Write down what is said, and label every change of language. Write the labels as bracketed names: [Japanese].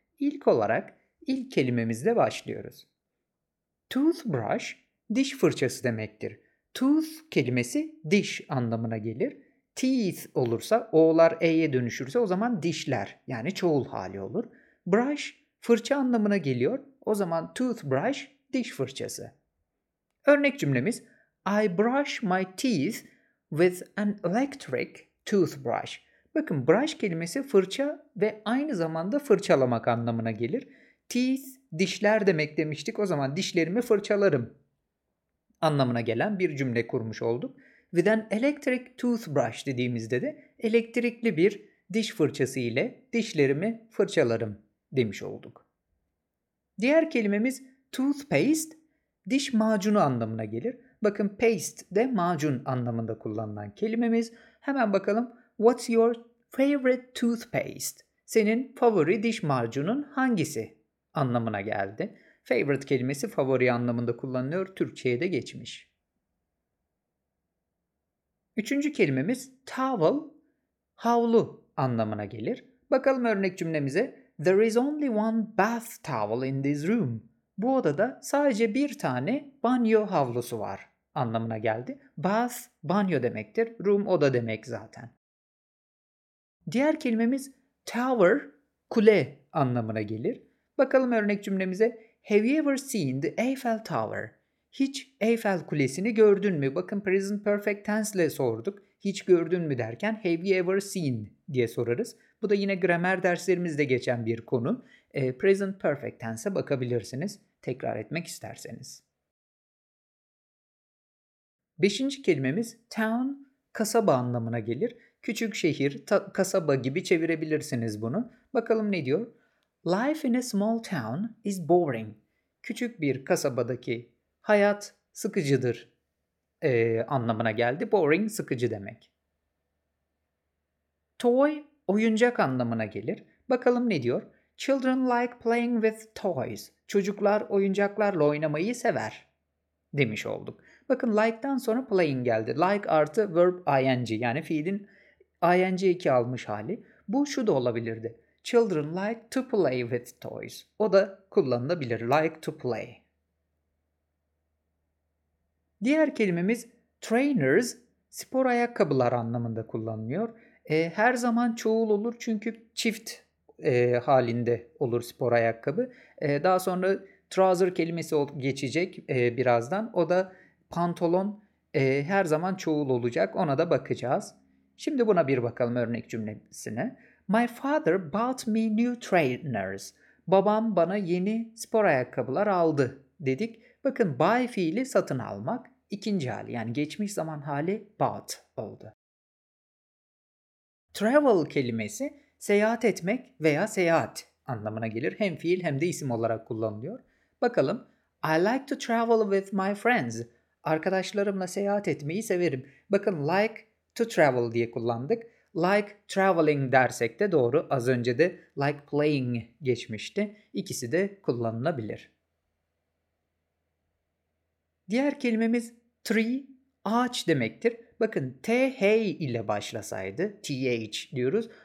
[Turkish] İlk olarak ilk kelimemizle başlıyoruz. Toothbrush, diş fırçası demektir. Tooth kelimesi diş anlamına gelir. Teeth olursa, o'lar e'ye dönüşürse o zaman dişler, yani çoğul hali olur. Brush, fırça anlamına geliyor. O zaman toothbrush, diş fırçası. Örnek cümlemiz, [English] I brush my teeth with an electric toothbrush. [Turkish] Bakın, brush kelimesi fırça ve aynı zamanda fırçalamak anlamına gelir. Teeth, dişler demek demiştik. O zaman dişlerimi fırçalarım anlamına gelen bir cümle kurmuş olduk. [English] With an electric toothbrush [Turkish] dediğimizde de elektrikli bir diş fırçası ile dişlerimi fırçalarım demiş olduk. Diğer kelimemiz toothpaste, diş macunu anlamına gelir. Bakın paste de macun anlamında kullanılan kelimemiz. Hemen bakalım. [English] What's your favorite toothpaste? [Turkish] Senin favori diş macunun hangisi anlamına geldi. Favorite kelimesi favori anlamında kullanılıyor. Türkçe'ye de geçmiş. Üçüncü kelimemiz towel, havlu anlamına gelir. Bakalım örnek cümlemize. [English] There is only one bath towel in this room. [Turkish] Bu odada sadece bir tane banyo havlusu var anlamına geldi. Bath, banyo demektir. Room, oda demek zaten. Diğer kelimemiz tower, kule anlamına gelir. Bakalım örnek cümlemize. [English] Have you ever seen the Eiffel Tower? [Turkish] Hiç Eiffel Kulesi'ni gördün mü? Bakın present perfect tense ile sorduk. Hiç gördün mü derken [English] have you ever seen [Turkish] diye sorarız. Bu da yine gramer derslerimizde geçen bir konu. Present perfect tense'e bakabilirsiniz. Tekrar etmek isterseniz. Beşinci kelimemiz town, kasaba anlamına gelir. Küçük şehir, kasaba gibi çevirebilirsiniz bunu. Bakalım ne diyor? [English] Life in a small town is boring. [Turkish] Küçük bir kasabadaki hayat sıkıcıdır anlamına geldi. Boring, sıkıcı demek. Toy, oyuncak anlamına gelir. Bakalım ne diyor? [English] Children like playing with toys. [Turkish] Çocuklar oyuncaklarla oynamayı sever demiş olduk. Bakın like'dan sonra playing geldi. Like artı verb ing, yani fiilin ing 2 almış hali. Bu şu da olabilirdi. [English] Children like to play with toys. [Turkish] O da kullanılabilir. [English] Like to play. [Turkish] Diğer kelimemiz trainers, spor ayakkabılar anlamında kullanılıyor. Her zaman çoğul olur çünkü çift halinde olur spor ayakkabı. Daha sonra trouser kelimesi geçecek birazdan. O da pantolon, her zaman çoğul olacak. Ona da bakacağız. Şimdi buna bir bakalım örnek cümlesine. [English] My father bought me new trainers. [Turkish] Babam bana yeni spor ayakkabılar aldı dedik. Bakın buy fiili satın almak. İkinci hali, yani geçmiş zaman hali bought oldu. Travel kelimesi seyahat etmek veya seyahat anlamına gelir. Hem fiil hem de isim olarak kullanılıyor. Bakalım. [English] I like to travel with my friends. [Turkish] Arkadaşlarımla seyahat etmeyi severim. Bakın [English] like to travel [Turkish] diye kullandık. [English] Like traveling [Turkish] dersek de doğru. Az önce de like playing geçmişti. İkisi de kullanılabilir. Diğer kelimemiz tree, ağaç demektir. Bakın th ile başlasaydı, th diyoruz.